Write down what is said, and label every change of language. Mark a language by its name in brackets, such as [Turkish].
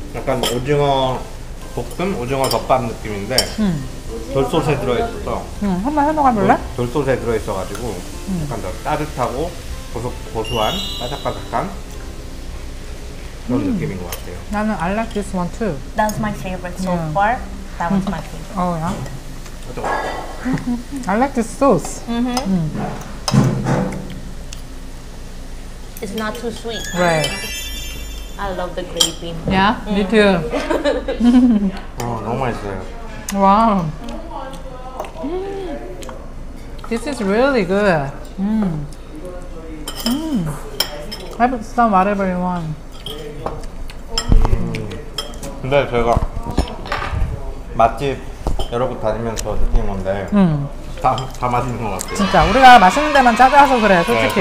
[Korean] 약간 오징어 볶음, 오징어 덮밥 느낌인데 돌솥에 들어있어서 한번 해먹어볼래? 돌솥에 들어있어가지고 약간 더 따뜻하고 고소한, 바삭바삭한 그런 느낌인 것 같아요. 나는 [English] I like this one too. That's my favorite so far. That was my favorite. Oh yeah. I like the sauce. Mm-hmm. Mm. It's not too sweet. Right. I love the gravy. Yeah. Mm. Me too. Oh, [Korean] 너무 맛있어요. [English] Wow. Mm. This is really good. Mm. Mm. Have some whatever you want. [Korean] 근데 제가 맛집 여러 곳 다니면서 느낀 건데 다 맛있는 것 같아요. 진짜 우리가 맛있는 데만 찾아서 그래 솔직히.